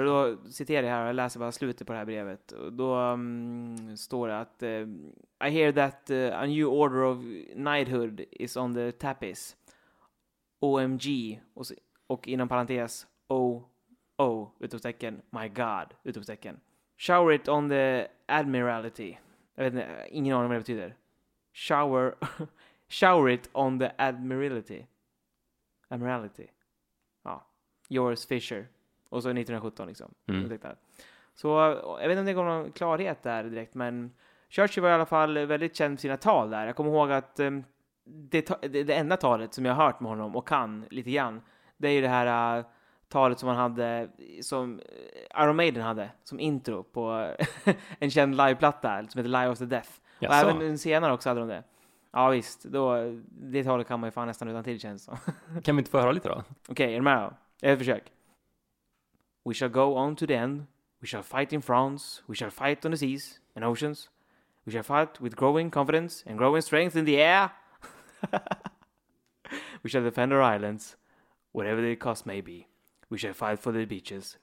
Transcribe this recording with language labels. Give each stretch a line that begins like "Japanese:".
Swedish: Och då citerar jag här och läser bara slutet på det här brevet. Och då står det att
English: I hear that a new order of knighthood is on the tapis.
Swedish: OMG, och inom parentes oh, utropstecken,
English: my god,
Swedish: utropstecken.
English: Shower it on the admiralty.
Swedish: Jag vet inte, ingen aning om vad det betyder.
English: Shower it on the admiralty.
Swedish: Admiralty. Ja, yours Fisher. Och så 1917 liksom. Mm. Så jag vet inte om det går någon klarhet där direkt, men Churchill var i alla fall väldigt känd för sina tal där. Jag kommer ihåg att det enda talet som jag har hört med honom och kan lite grann, det är ju det här talet som han hade, som Iron Maiden hade som intro på en känd liveplatta som heter Live of the Death. Jaså. Och även senare också hade de det. Ja visst, då, det talet kan man ju fan nästan utan till, känns som. Kan vi inte få höra lite då? Okej, är du med då? Jag försök.
English: We shall go on to the end. We shall fight in France. We shall fight on the seas and oceans. We shall fight with growing confidence and growing strength in the air. We shall defend our islands, whatever the cost may be. We shall fight for the beaches.